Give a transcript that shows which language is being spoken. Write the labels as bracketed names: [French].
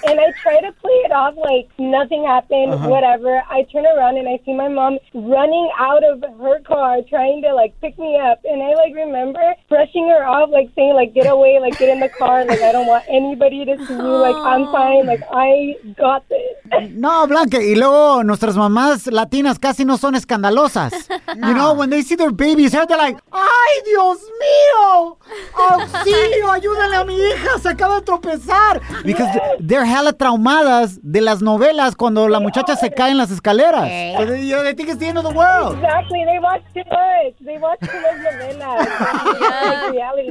[English] And I try to play it off like nothing happened, whatever. I turn around and I see my mom running out of her car trying to, like, pick me up. And I, like, remember brushing her off, like, saying, like, get away, like, get in the car. Like, I don't want anybody to see you. Like, I'm fine. Like, I got this. [Spanish] No, Blanca. Y luego, nuestras mamás latinas casi no son escandalosas. [English] You know, when they see their baby's hair, they're like, [Spanish] ¡ay, Dios mío! ¡Auxilio! ¡Ayúdale a mi hija! ¡Se acaba de tropezar! [English] Because they're hella [Spanish] traumadas de las novelas cuando la muchacha se cae en las escaleras. [English] Okay. So they think it's the end of the world. Exactly. They watch too much. They watch too much novelas. Yeah. Reality.